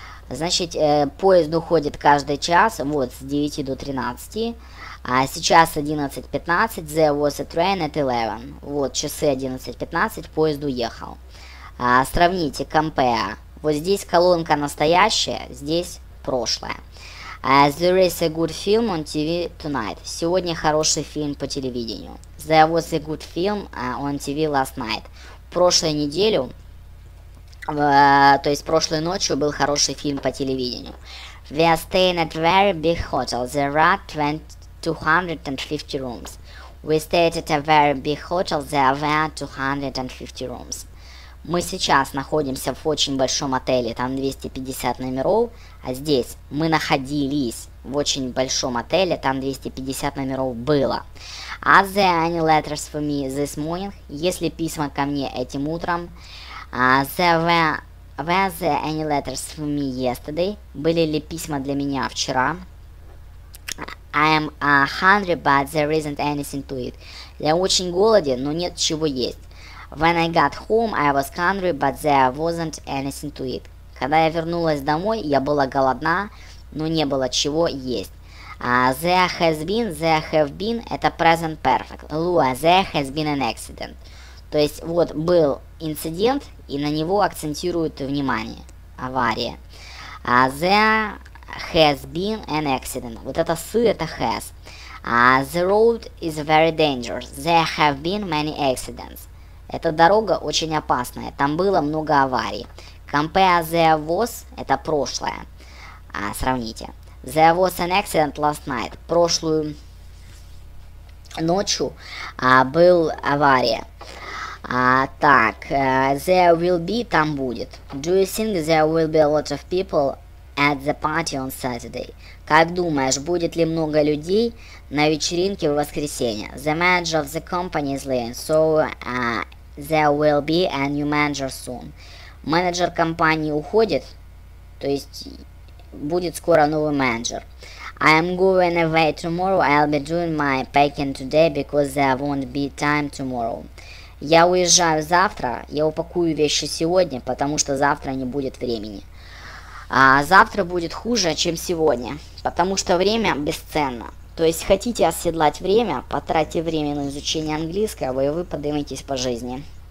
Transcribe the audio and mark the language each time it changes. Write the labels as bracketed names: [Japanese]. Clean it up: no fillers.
[Russian] Значит, поезд уходит каждый час, вот, с 9 до 13. А сейчас [English] 11:15, there was a train at 11. [Russian] Вот, часы 11:15, поезд уехал. Сравните, [English] compare. [Russian] Вот здесь колонка настоящая, здесь прошлое. [English] There is a good film on TV tonight. [Russian] Сегодня хороший фильм по телевидению. [English] There was a good film on TV last night. [Russian] Прошлую неделю, то есть прошлой ночью, был хороший фильм по телевидению. [English] We are staying at very big hotel. There are 250 rooms. We stayed at a very big hotel. There were 250 rooms. [Russian] Мы сейчас находимся в очень большом отеле, там 250 номеров, а здесь мы находились в очень большом отеле, там 250 номеров было. [English] Are there any letters for me this morning? [Russian] Есть ли письма ко мне этим утром? [English] Were there any letters for me yesterday? [Russian] Были ли письма для меня вчера? [English] I am hungry, but there isn't anything to eat. [Russian] Я очень голоден, но нет чего есть. [English] When I got home, I was hungry, but there wasn't anything to eat. [Russian] Когда я вернулась домой, я была голодна, но не было чего есть. [English] There has been, there have been, [Russian] это [English] present perfect. Lua, there has been an accident. [Russian] То есть, вот, был инцидент, и на него акцентируют внимание. Авария. [English] There has been an accident. [Russian] Вот это с, это [English] has. The road is very dangerous. There have been many accidents. [Russian] Эта дорога очень опасная. Там было много аварий. [English] Compare there was, [Russian] это прошлое. Сравните. [English] There was an accident last night. [Russian] Прошлую ночью был авария. Так, [English] there will be, [Russian] там будет. [English] Do you think there will be a lot of people at the party on Saturday? [Russian] Как думаешь, будет ли много людей на вечеринке в воскресенье? [English] The manager of the company is leaving, so there will be a new manager soon. [Russian] Менеджер компании уходит, то есть будет скоро новый менеджер. [English] I am going away tomorrow. I'll be doing my packing today because there won't be time tomorrow. [Russian] Я уезжаю завтра, я упакую вещи сегодня, потому что завтра не будет времени. Завтра будет хуже, чем сегодня, потому что время бесценно. То есть хотите оседлать время, потратьте время на изучение английского, и вы подниметесь по жизни.